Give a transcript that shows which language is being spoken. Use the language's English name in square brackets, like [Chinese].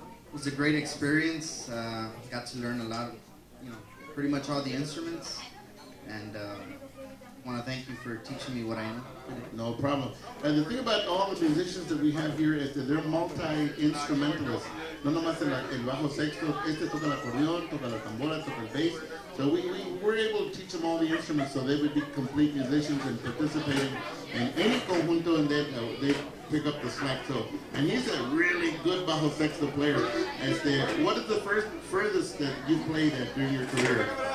[English] It was a great experience. Got to learn a lot, pretty much all the instruments. And want to thank you for teaching me what I know. No problem. And the thing about all the musicians that we have here is that they're multi-instrumentalists. [Spanish] No nomás el bajo sexto, este toca el acordeón, toca la tambora, toca el bass. [English] So we were able to teach them all the instruments so they would be complete musicians and participating in any conjunto, and they pick up the slack. So, and he's a really good bajo sexto player. What is the furthest that you played at during your career?